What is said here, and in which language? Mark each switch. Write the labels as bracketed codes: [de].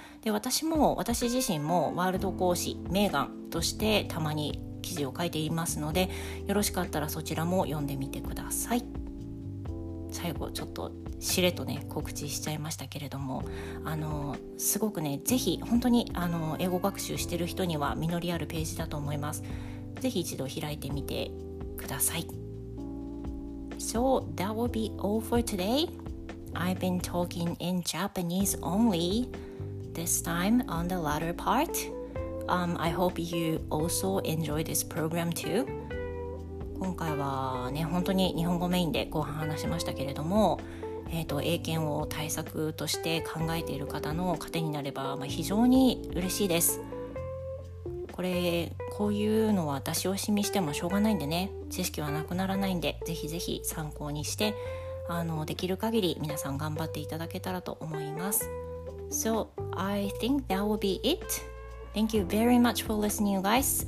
[ja] で、私自身もワールド講師メーガンとしてたまに記事を書いていますので、よろしかったらそちらも読んでみてください。最後ちょっとしれっとね、告知しちゃいましたけれども、すごくね、ぜひ本当に英語学習してる人には実りあるページだと思います。ぜひ一度開いてみてください。 [en] So that will be all for todayI've been talking in Japanese only this time on the latter part. I hope you also enjoy this program too. [ja] 今回はね、本当に日本語メインで後半話しましたけれども、英検を対策として考えている方の糧になれば、非常に嬉しいです。これ、こういうのは出し惜しみしてもしょうがないんでね、知識はなくならないんで、ぜひぜひ参考にして、できる限り皆さん頑張っていただけたらと思います。 [en] So, I think that will be it. Thank you very much for listening, you guys.